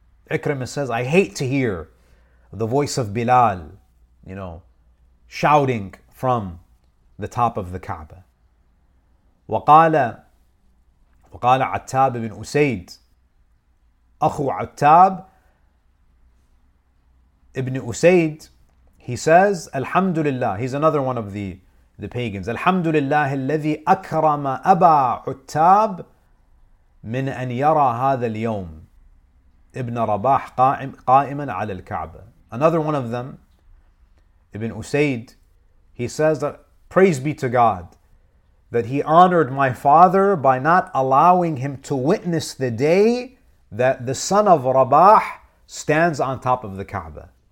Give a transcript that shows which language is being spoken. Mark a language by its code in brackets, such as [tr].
[en] Ikrama says, I hate to hear the voice of Bilal, you know, shouting from the top of the Kaaba. [ar] وَقَالَ عَتَّابِ بِنْ أُسَيْدِ أَخُو عَتَّابِ ابْنِ أُسَيْدِ. [en] He says, [ar] الحمد لله. [en] He's another one of the pagans. [ar] الحمد لله الذي أكرم أبا عتاب من أن يرى هذا اليوم ابن رباح قائما على الكعبة. [en] Another one of them, Ibn Usayd, he says, praise be to God that he honored my father by not allowing him to witness the day that the son of Rabah stands on top of the Kaaba.